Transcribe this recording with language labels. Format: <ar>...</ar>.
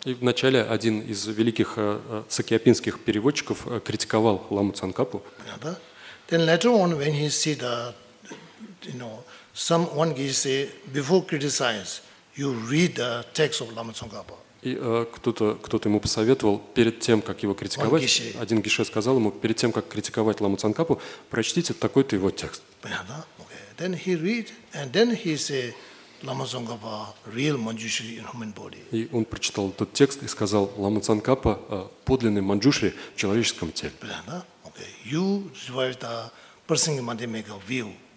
<ru>И вначале один из великих сакьяпинских переводчиков критиковал Ламу Цонгапу.</ru> <en>Then later on, when he see the, you know, someone he say before criticize, you read the text of Lama Tsongkhapa.</en> <ru>И кто-то ему посоветовал перед тем, как его критиковать, один гише сказал ему, перед тем, как критиковать Ламу Цонгхапу, прочтите такой-то его текст. Понятно? Okay.</ru> <en>Then he read, and then he say, Lama Tsongkhapa, real Manjushri in human body.</en> <ru>И он прочитал этот текст и сказал, Лама Цонгхапа, подлинный Манджушри в человеческом теле. Понятно? Okay.</ru> <en>You derive the person in Mandemega view.</en>